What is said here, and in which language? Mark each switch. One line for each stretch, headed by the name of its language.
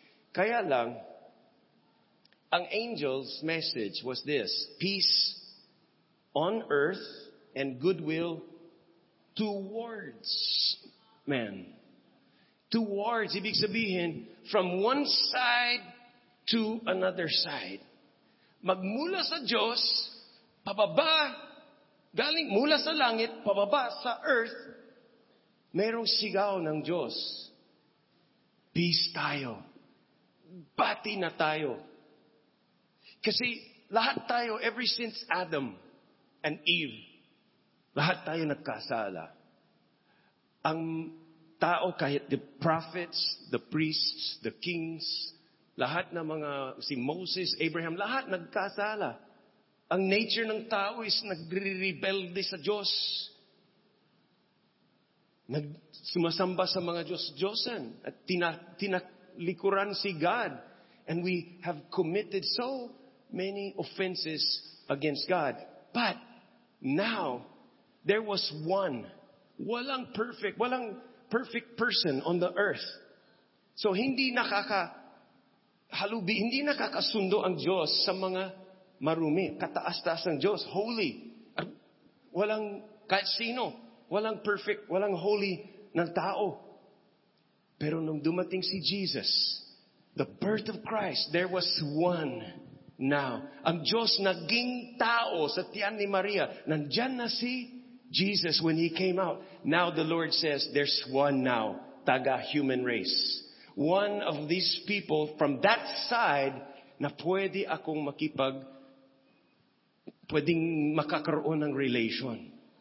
Filipino: Kaya lang, ang
English: angel's message was this, peace on earth and goodwill towards man. Towards,
Filipino: ibig sabihin,
English: from one side to another side.
Filipino: Magmula sa Diyos, pababa, galing mula sa langit, pababa sa earth, mayroong sigaw ng Diyos. Peace tayo. Bati na tayo. Kasi lahat tayo,
English: ever since Adam and Eve,
Filipino: lahat tayo nagkasala. Ang tao, kahit
English: the prophets, the priests, the kings,
Filipino: lahat na mga, si Moses, Abraham, lahat nagkasala. Ang nature ng tao is nagre-rebelde sa Diyos. Nagsumasamba sa mga Diyos-Diyosan at tinalikuran si God.
English: And we have committed so many offenses against God. But now, there was one.
Filipino: Walang
English: perfect person on the earth.
Filipino: So, hindi nakaka halubi, hindi nakakasundo ang Diyos sa mga marumi, kataas-taas ng Diyos, holy. Walang kahit sino, walang perfect, walang holy ng tao. Pero nung dumating si Jesus,
English: the birth of Christ, there was one now.
Filipino: Ang Diyos naging tao sa tiyan ni Maria. Nandyan na si Jesus
English: when He came out. Now the Lord says, there's one now, taga human race. One of these people from that side
Filipino: na pwede akong pwedeng makakaroon ng relation.